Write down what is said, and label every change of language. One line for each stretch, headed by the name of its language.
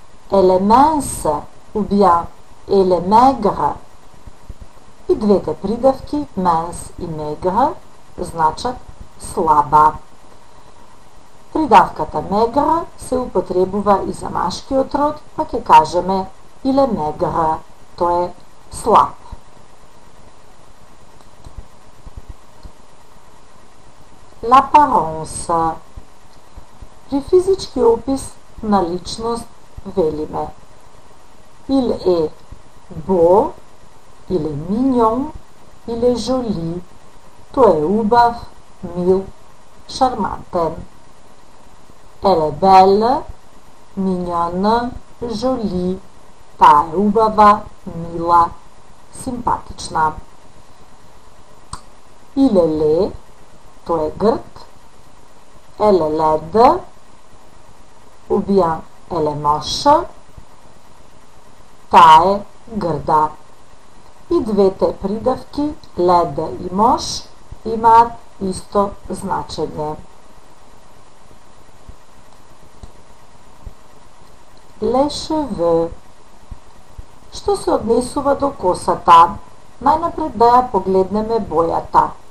French: Elle est mince ou bien elle est maigre.
Macedonian: И двете придавки mince и maigre значат слаба. Придавката maigre се употребува и за машкиот род, па ќе кажеме
French: il est maigre,
Macedonian: тоа е слаб.
French: L'apparence.
Macedonian: При физички опис на личност велиме.
French: Il est beau, il est mignon, il est joli.
Macedonian: Тој е убав, мил, шармантен.
French: Elle est belle, mignonne, jolie.
Macedonian: Таа е убава, мила, симпатична.
French: Il est laid,
Macedonian: тој е грд.
French: Elle est laide, ou bien Elle est moche.
Macedonian: Та е грда. И двете придавки, леда и мош, имаат исто значење.
French: Les cheveux.
Macedonian: Што се однесува до косата? Најнапред да ја погледнеме бојата.